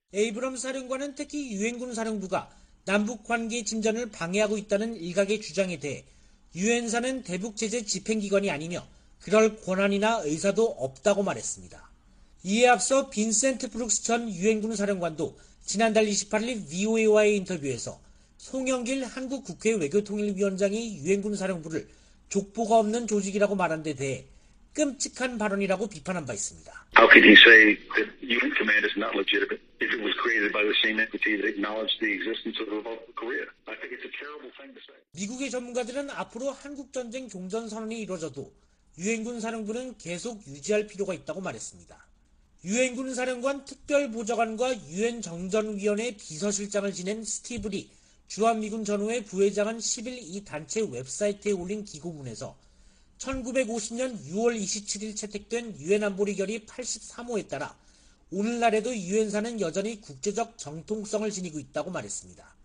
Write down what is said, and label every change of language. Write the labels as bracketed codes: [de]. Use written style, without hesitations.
[ko] 에이브럼 사령관은 특히 유엔군 사령부가 남북 관계 진전을 방해하고 있다는 일각의 주장에 대해 유엔사는 대북 제재 집행 기관이 아니며 그럴 권한이나 의사도 없다고 말했습니다. 이에 앞서 빈센트 브룩스 전 유엔군 사령관도 지난달 28일 VOA와의 인터뷰에서 송영길 한국 국회 외교통일위원장이 유엔군 사령부를 족보가 없는 조직이라고 말한 데 대해 끔찍한 발언이라고 비판한 바 있습니다. [en] How could he say that UN command is not legitimate if it was created by the same entity that acknowledged the existence of the Republic of Korea? I think it's a terrible thing to say. [ko] 미국의 전문가들은 앞으로 한국 전쟁 종전 선언이 이루어져도 유엔군 사령부는 계속 유지할 필요가 있다고 말했습니다. 유엔군 사령관 특별 보좌관과 유엔 정전위원회 비서실장을 지낸 스티브 리 주한미군 전후회 부회장은 10일 이 단체 웹사이트에 올린 기고문에서 1950년 6월 27일 채택된 유엔 안보리결의 83호에 따라 오늘날에도 유엔사는 여전히 국제적 정통성을 지니고 있다고 말했습니다.